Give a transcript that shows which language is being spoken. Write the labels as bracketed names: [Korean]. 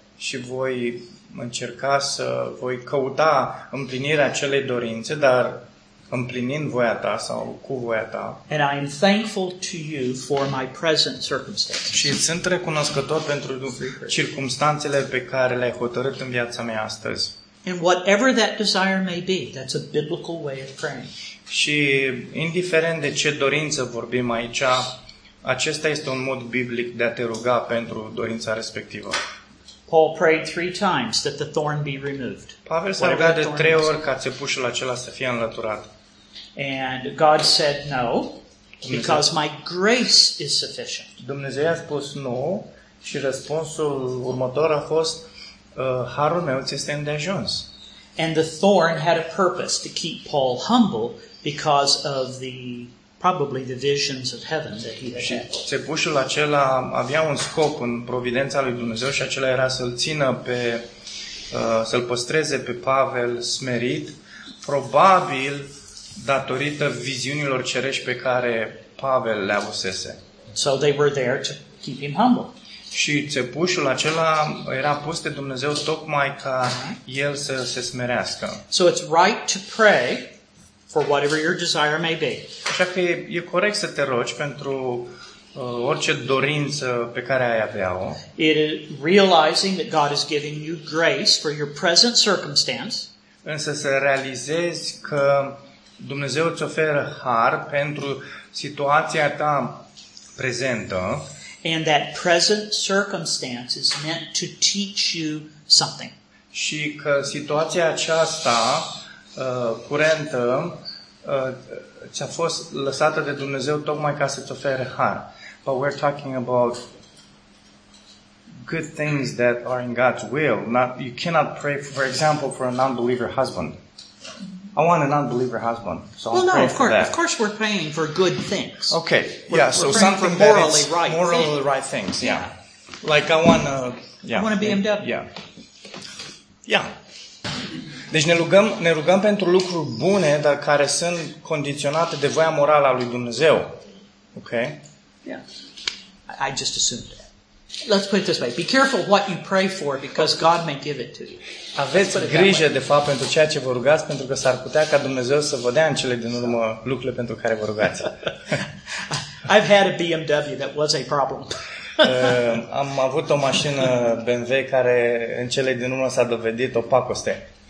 [Romanian] Și voi încerca să voi căuta împlinirea acelei dorințe, dar împlinind voia ta sau cu voia ta. [English] And I am thankful to you for my present circumstances. [Romanian] Și sunt recunoscător pentru circumstanțele pe care le-ai hotărât în viața mea astăzi. [English] And whatever that desire may be, that's a biblical way of praying. [Romanian] Și indiferent de ce dorință vorbim aici, acesta este un mod biblic de a te ruga pentru dorința respectivă. [English] Paul prayed 3 times that the thorn be removed. [Romanian] Pavel s-a rugat de 3 ori ca țepușul acela să fie înlăturat. [English] And God said no, because my grace is sufficient. [Romanian] Dumnezeu a spus nu și răspunsul următor a fost harul meu ți este îndeajuns. [English] And the thorn had a purpose to keep Paul humble because of the probably the visions of heaven that he had. [Romanian] Țepușul acela avea un scop în providența lui Dumnezeu și acela era să-l țină pe să-l păstreze pe Pavel smerit, probabil datorită viziunilor cerești pe care Pavel le avusese. [English] So they were there to keep him humble. [Romanian] Și țepușul acela era pus de Dumnezeu tocmai ca el să se smerească. [English] So it's right to pray for whatever your desire may be. [Romanian] Așa că e corect să te rogi pentru orice dorință pe care ai avea-o. [English] It is realizing that God is giving you grace for your present circumstance. [Romanian] Însă să realizezi că Dumnezeu îți oferă har pentru situația ta prezentă. [English] And that present circumstance is meant to teach you something. [Romanian] Și că situația aceasta curentă ți-a fost lăsată de Dumnezeu tocmai ca să-ți ofere har. [English] But we're talking about good things that are in God's will. Not, you cannot pray, for example, for an unbeliever husband. I want an unbeliever husband, so well, I'm no, praying for that. Of course we're praying for good things. Okay, we're, yeah, we're so something that morally right, morally thing. Right things, yeah. Yeah. Like I want a, yeah. I want a BMW. Yeah. Yeah. [Romanian] Deci ne rugăm pentru lucruri bune, dar care sunt condiționate de voia morală a lui Dumnezeu. [English] Okay? Yeah. I just assumed that. Let's put it this way. Be careful what you pray for because God may give it to you. [Romanian] Aveți grijă de fapt pentru ceea ce vă rugați pentru că s-ar putea ca Dumnezeu să vă dea în cele din urmă lucrurile pentru care vă rugați. [English] I've had a BMW that was a problem. [Romanian] Am avut o mașină BMW care în cele din urmă s-a dovedit o pacoste.